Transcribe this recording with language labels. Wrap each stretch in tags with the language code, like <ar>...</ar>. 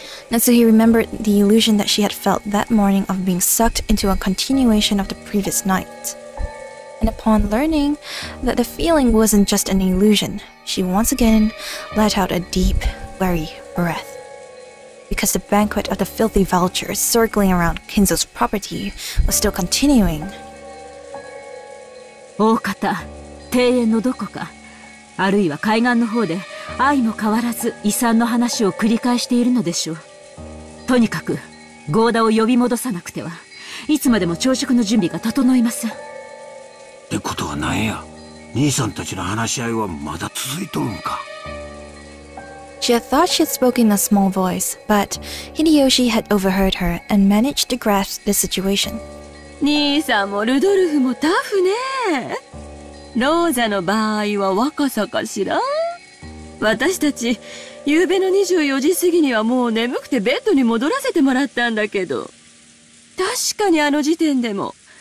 <en>Natsuhi remembered the illusion that she had felt that morning of being sucked into a continuation of the previous night. And upon learning that the feeling wasn't just an illusion, she once again let out a deep, weary breath. Because the banquet of the filthy vultures circling around Kinzo's property was still continuing.</en> <ja>大方、庭園のどこか、あるいは海岸の方で、愛も変わらず遺産の話を繰り返しているのでしょう。とにかく、ゴーダを呼び戻さなくては、いつまでも朝食の準備が整いません。ってことはなんや、兄さんたちの話し合いはまだ続いとるんか。</ja> <en>She had thought she had spoken in a small voice, but Hideyoshi had overheard her and managed to grasp the situation.</en> <ja>兄さんもルドルフもタフね。ローザの場合は若さかしら。私たち、昨夜の24時過ぎにはもう眠くてベッドに戻らせてもらったんだけど、確かにあの時点でも。</ja>